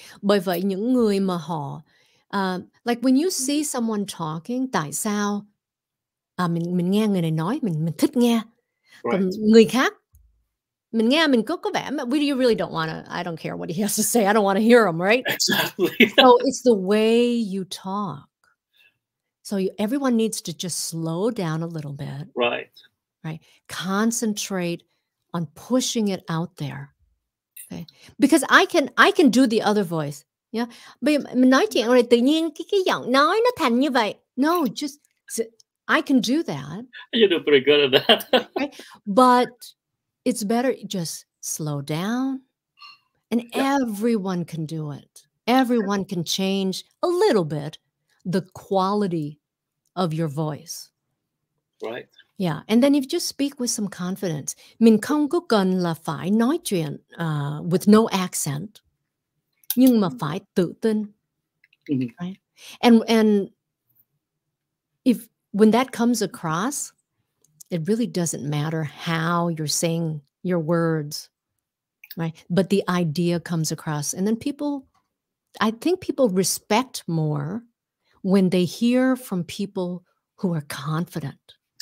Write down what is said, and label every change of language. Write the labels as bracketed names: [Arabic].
[Vietnamese] Bởi vậy những người mà họ, [English] like when you see someone talking, [Vietnamese] tại sao mình nghe người này nói, mình thích nghe. [English] Right. Còn [Vietnamese] người khác, mình nghe mình có vẻ, [English] you really don't want to, I don't care what he has to say, I don't want to hear him, right? Exactly. So it's the way you talk. So everyone needs to just slow down a little bit. Right. Right. Concentrate on pushing it out there. Okay. Because I can do the other voice. Yeah. [Vietnamese] But nói chuyện rồi tự nhiên cái giọng nói nó thành như vậy. [English] No, just I can do that. You do pretty good at that. Right? But it's better just slow down. And yeah. Everyone can do it. Everyone can change a little bit the quality of your voice. Right. Yeah, and then if you just speak with some confidence, [Vietnamese] mình không có cần là phải nói chuyện [English] with no accent, [Vietnamese] nhưng mà phải tự tin, [English] mm-hmm. right? And if when that comes across, it really doesn't matter how you're saying your words, right? But the idea comes across, and then I think people respect more when they hear from people who are confident.